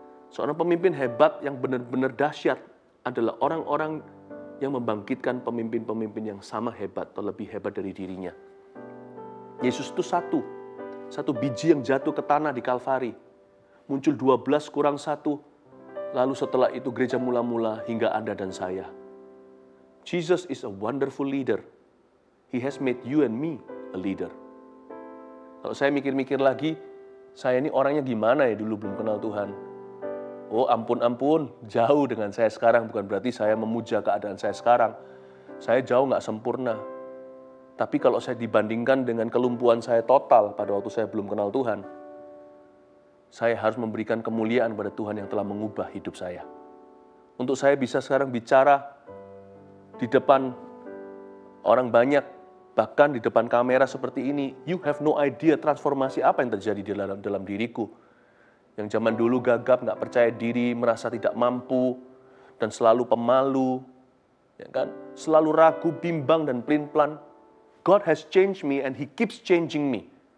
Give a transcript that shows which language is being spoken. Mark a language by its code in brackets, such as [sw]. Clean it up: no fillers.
[id] Seorang pemimpin hebat yang benar-benar dahsyat adalah orang-orang yang membangkitkan pemimpin-pemimpin yang sama hebat atau lebih hebat dari dirinya. Yesus itu satu biji yang jatuh ke tanah di Kalvari. Muncul 12 kurang 1, lalu setelah itu gereja mula-mula hingga Anda dan saya. [en] Jesus is a wonderful leader. He has made you and me a leader. [id] Kalau saya mikir-mikir lagi, saya ini orangnya gimana ya dulu belum kenal Tuhan. Oh ampun, jauh dengan saya sekarang. Bukan berarti saya memuja keadaan saya sekarang. Saya jauh gak sempurna. Tapi kalau saya dibandingkan dengan kelumpuhan saya total pada waktu saya belum kenal Tuhan, saya harus memberikan kemuliaan pada Tuhan yang telah mengubah hidup saya. Untuk saya bisa sekarang bicara di depan orang banyak, bahkan di depan kamera seperti ini, [en] you have no idea [id] transformasi apa yang terjadi di dalam diriku. Yang zaman dulu gagap, gak percaya diri, merasa tidak mampu, dan selalu pemalu, ya kan? Selalu ragu, bimbang, dan plin-plan. [en] God has changed me and He keeps changing me.